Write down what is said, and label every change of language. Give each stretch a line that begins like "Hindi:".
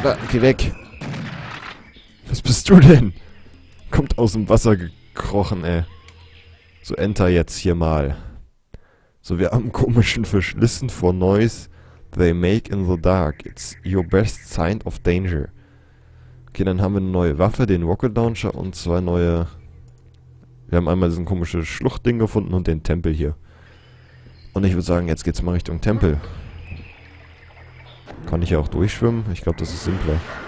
German: Geh weg. Was bist du denn? Kommt aus dem Wasser gekrochen, ey. So, enter jetzt hier mal. So, wir haben komischen Fisch.
English: Listen for noise they make in the dark. It's your best sign of danger.
German: Okay, dann haben wir eine neue Waffe, den Rocket Launcher und zwei neue... Wir haben einmal diesen komischen Schluchtding gefunden und den Tempel hier. Und ich würde sagen, jetzt geht's mal Richtung Tempel. Kann ich ja auch durchschwimmen? Ich glaube, das ist simpler.